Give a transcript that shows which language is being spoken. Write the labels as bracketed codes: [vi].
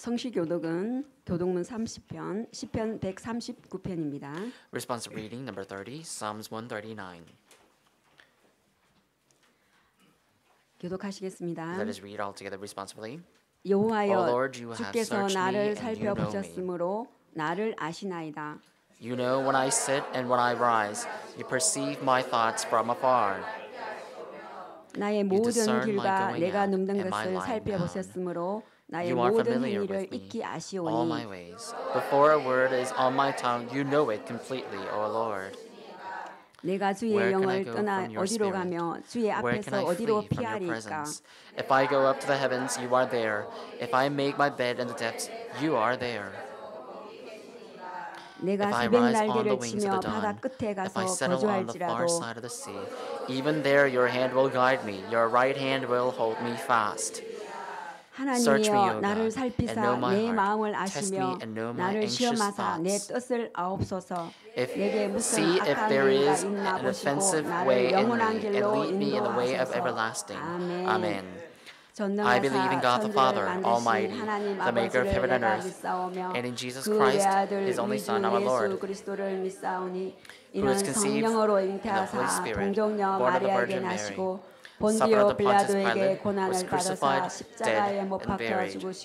[ko] 교독은 교독문 30편 시편 139편입니다. [en] Responsive reading number 30, Psalms 139. [ko] 교독하시겠습니다. [en] Let us read all together responsibly. [ko] 여호와여, 주께서 나를 살펴보셨으므로 나를 아시나이다. [en] You know when I sit and when I rise. You perceive my thoughts from afar. [ko] 나의 모든 길과 내가 눕는 것을 살펴보셨으므므로 [en] You are familiar with me, all my ways. Before a word is on my tongue, you know it completely, O Lord. Where can I go from your spirit? Where can I flee from your presence? If I go up to the heavens, you are there. If I make my bed in the depths, you are there. If I rise on the wings of the dawn, if I settle on the far side of the sea, even there your hand will guide me, your right hand will hold me fast. [ko] 하나님이여 나를 살피사 내 마음을 아시며 나를 시험하사 내 뜻을 아옵소서 내게 무슨 악한 일이 있나 보시고 나를 영원한 길로 인도하소서 아멘 [en] I believe in God the Father, Almighty, the Maker of heaven and earth, and in Jesus Christ, His only Son, our Lord, who was conceived of the Holy Spirit, born of the Virgin Mary, Suffered of Pontius Pilate, was crucified, dead, and buried.